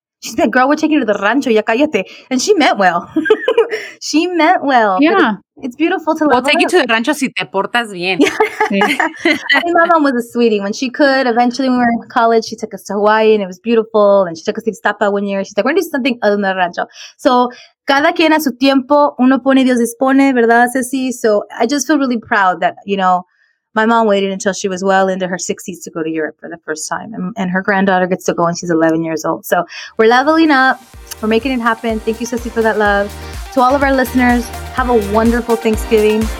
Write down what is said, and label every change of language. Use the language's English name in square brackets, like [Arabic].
[English] She said, girl, we're taking you to the rancho, [Spanish] ya cállate. [English] And she meant well. She meant well. Yeah. It's beautiful to level up. We'll take you to the rancho [Spanish] si te portas bien. [English] I mean, my mom was a sweetie. When she could, eventually when we were in college, she took us to Hawaii and it was beautiful. And she took us to Iztapa 1 year. She's like, we're going to do something other than the rancho. So [Spanish] cada quien a su tiempo, uno pone, Dios dispone, ¿verdad, Ceci? [English] So I just feel really proud that, you know, my mom waited until she was well into her 60s to go to Europe for the first time. And her granddaughter gets to go when she's 11 years old. So we're leveling up. for making it happen. Thank you, Ceci, for that love. To all of our listeners, have a wonderful Thanksgiving.